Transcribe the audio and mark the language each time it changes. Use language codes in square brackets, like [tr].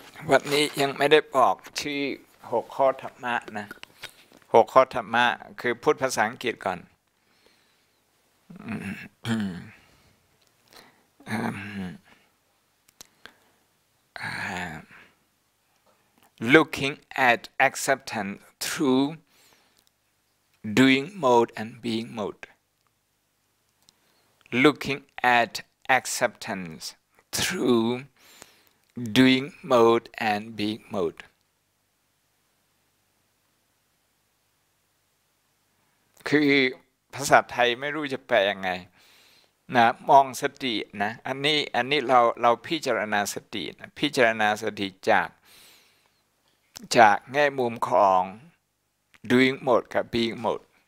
[th] วันนี้ยังไม่ได้บอกชื่อ6 ข้อธรรมะนะ6 ข้อธรรมะคือพูดภาษาอังกฤษก่อน [en] looking at acceptance through doing mode and being mode. looking at acceptance through doing mode and being mode. [th] คือภาษาไทยไม่รู้จะแปลยังไงนะมองสตินะอันนี้เราพิจารณาสตินะพิจารณาสติจากแง่มุมของ doing mode กับ being mode